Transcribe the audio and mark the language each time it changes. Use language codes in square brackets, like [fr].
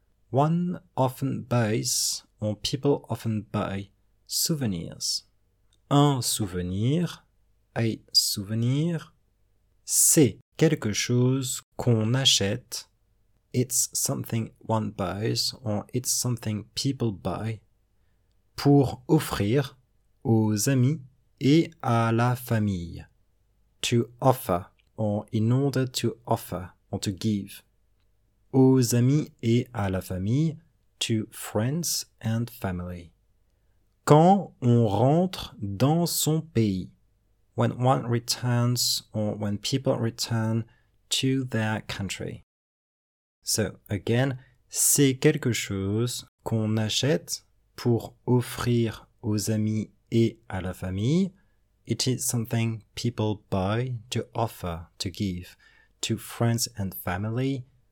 [en] One often buys, or people often buy, souvenirs. [fr] Un souvenir, [en] a souvenir, [fr] c'est quelque chose qu'on achète. [en] It's something one buys, or it's something people buy, [fr] pour offrir aux amis et à la famille. [en] To offer, or in order to offer, or to give. [fr] Aux amis et à la famille, [en] to friends and family. [fr] Quand on rentre dans son pays. [en] When one returns, or when people return to their country. [fr] So, again, c'est quelque chose qu'on achète pour offrir aux amis et à la famille. [en] It is something people buy to offer, to give, to friends and family.